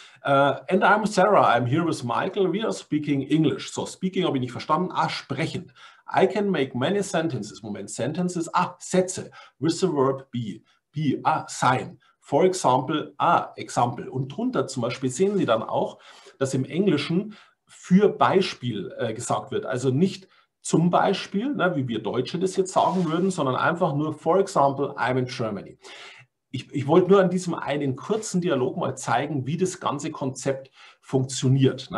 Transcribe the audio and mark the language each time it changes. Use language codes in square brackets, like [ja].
[en] And I'm Sarah, I'm here with Michael, we are speaking English. [de] So, speaking habe ich nicht verstanden, sprechend. [en] I can make many sentences, Sätze, with the verb be, sein. For example, example. [de] Und drunter zum Beispiel sehen Sie dann auch, dass im Englischen für Beispiel gesagt wird, also nicht zum Beispiel, ne, wie wir Deutsche das jetzt sagen würden, sondern einfach nur, [en] for example, I'm in Germany. [de] Ich wollte nur an diesem einen kurzen Dialog mal zeigen, wie das ganze Konzept funktioniert. Ne?